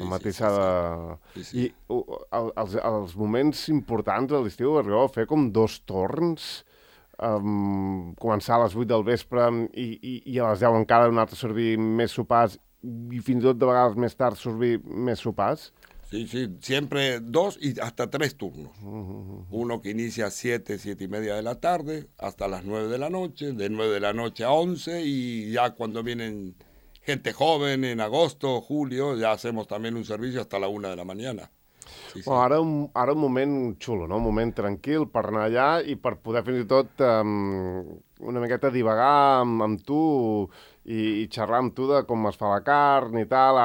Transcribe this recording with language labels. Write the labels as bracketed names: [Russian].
[Catalan] la matisada... Sí. I els moments importants de l'estiu, arribeu a fer com 2 torns... començar a les 8 del vespre i a les 10 encara donar-te a servir més sopars i fins i tot de vegades més tard servir més sopars. [Spanish] Sí, sí, siempre dos y hasta tres turnos. Uno que inicia a 7:30 de la tarde hasta las 9 de la noche, de 9 de la noche a 11, y ya cuando vienen gente joven en agosto, julio, ya hacemos también un servicio hasta la 1 de la mañana. [Catalan] Sí, sí. Bueno, ara un moment xulo, no? Un moment tranquil per anar allà i per poder fins i tot una miqueta divagar amb tu i xerrar amb tu de com es fa la carn i tal.